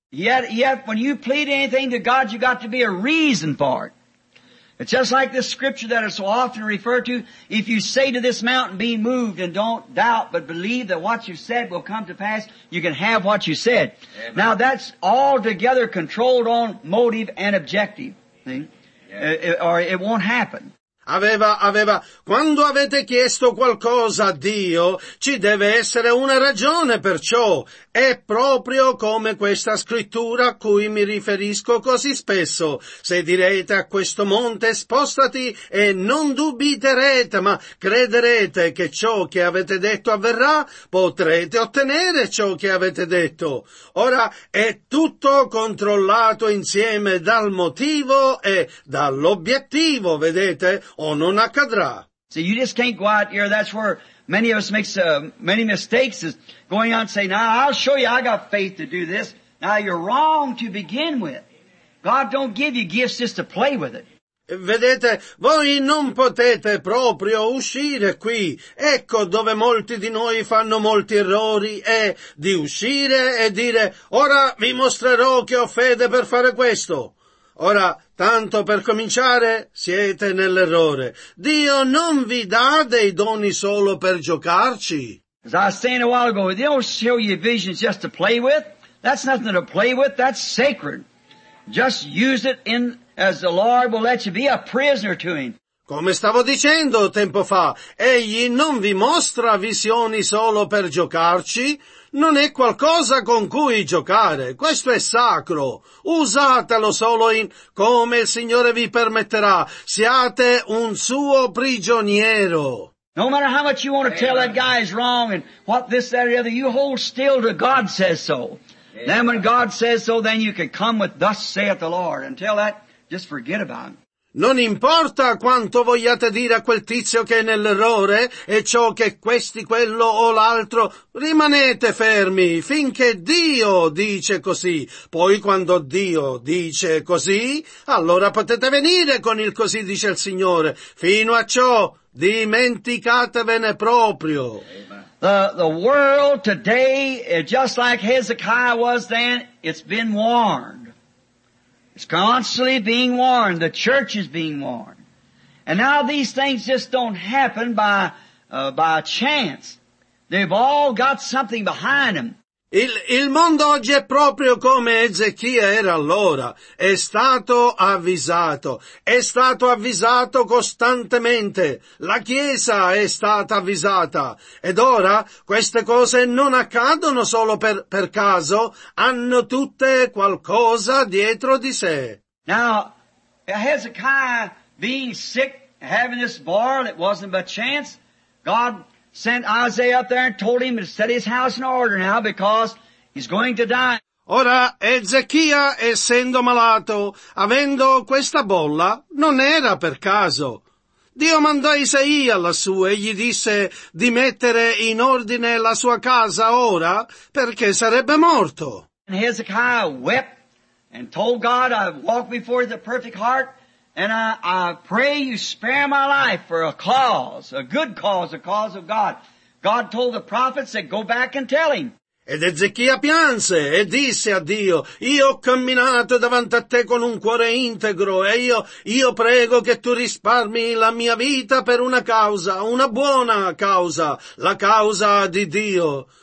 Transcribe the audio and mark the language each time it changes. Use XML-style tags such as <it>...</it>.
<en>Yet, when you plead anything to God, you got to be a reason for it. It's just like this scripture that is so often referred to. If you say to this mountain, be moved, and don't doubt, but believe that what you said will come to pass, you can have what you said. Amen. Now, that's altogether controlled on motive and objective. See? Yes. It won't happen.</en> <it>Aveva, quando avete chiesto qualcosa a Dio, ci deve essere una ragione per ciò. È proprio come questa scrittura a cui mi riferisco così spesso. Se direte a questo monte, spostati, e non dubiterete, ma crederete che ciò che avete detto avverrà, potrete ottenere ciò che avete detto. Ora, è tutto controllato insieme dal motivo e dall'obiettivo, vedete? O non accadrà.</it> <en>See, you just can't go out here. That's where many of us makes many mistakes, is going out and saying, now I'll show you I got faith to do this. Now you're wrong to begin with. God don't give you gifts just to play with it.</en> <it>Vedete, voi non potete proprio uscire qui. Ecco dove molti di noi fanno molti errori, è di uscire e dire, ora vi mostrerò che ho fede per fare questo. Ora, tanto per cominciare, siete nell'errore. Dio non vi dà dei doni solo per giocarci.</it> <en>As I said a while ago, they don't show you visions just to play with. That's nothing to play with. That's sacred. Just use it in as the Lord will let you be a prisoner to Him.</en> <it>Come stavo dicendo tempo fa, egli non vi mostra visioni solo per giocarci. Non è qualcosa con cui giocare, questo è sacro. Usatelo solo in come il Signore vi permetterà. Siate un suo prigioniero.</it> <en>No matter how much you want to tell that guy is wrong and what this, that, or the other, you hold still to God says so. Amen. Then when God says so, then you can come with thus saith the Lord. Until that, just forget about it.</en> <it>Non importa quanto vogliate dire a quel tizio che è nell'errore, e ciò che questi, quello o l'altro, rimanete fermi finché Dio dice così. Poi quando Dio dice così, allora potete venire con il così dice il Signore. Fino a ciò, dimenticatevene proprio.</it> <en>The world today, just like Hezekiah was then, it's been warned. It's constantly being warned. The church is being warned. And now these things just don't happen by chance. They've all got something behind them.</en> <it>Il mondo oggi è proprio come Ezechia era allora. È stato avvisato. È stato avvisato costantemente. La Chiesa è stata avvisata. Ed ora queste cose non accadono solo per caso. Hanno tutte qualcosa dietro di sé.</it> <en>Now, Hezekiah being sick, having this boil, it wasn't by chance. God sent Isaiah up there and told him to set his house in order now because he's going to die.</en> <it>Ora, Ezechia, essendo malato, avendo questa bolla, non era per caso. Dio mandò Isaia lassù e gli disse di mettere in ordine la sua casa ora, perché sarebbe morto.</it> <en>And Hezekiah wept and told God, I walk before the perfect heart, and I pray you spare my life for a cause, a good cause, a cause of God. God told the prophets that go back and tell him.</en> <it>Ed Ezechia pianse e disse a Dio, io ho camminato davanti a te con un cuore integro e io prego che tu risparmi la mia vita per una causa, una buona causa, la causa di Dio.</it>